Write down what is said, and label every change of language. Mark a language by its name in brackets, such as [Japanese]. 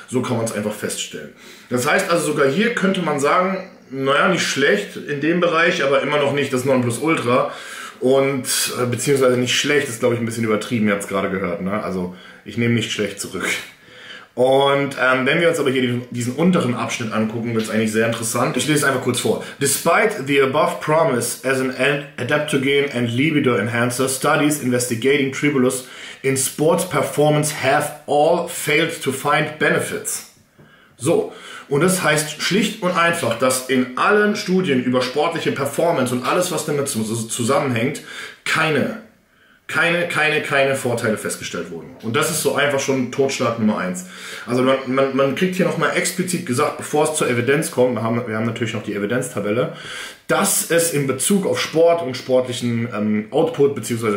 [German] So kann man es einfach feststellen. Das heißt also, sogar hier könnte man sagen, naja, nicht schlecht in dem Bereich, aber immer noch nicht das Nonplusultra. Und beziehungsweise nicht schlecht, ist glaube ich ein bisschen übertrieben, ihr habt es gerade gehört, ne? Also ich nehme nicht schlecht zurück. Und wenn wir uns aber hier diesen unteren Abschnitt angucken, wird es eigentlich sehr interessant. Ich lese es einfach kurz vor. [English] Despite the above promise as an adaptogen and libido enhancer, studies investigating tribulus in sports performance have all failed to find benefits. [German] So. Und das heißt schlicht und einfach, dass in allen Studien über sportliche Performance und alles, was damit zusammenhängt, keine Vorteile festgestellt wurden. Und das ist so einfach schon Totschlag Nummer 1. Also man kriegt hier nochmal explizit gesagt, bevor es zur Evidenz kommt, wir haben natürlich noch die Evidenztabelle, dass es in Bezug auf Sport und sportlichen Output bzw.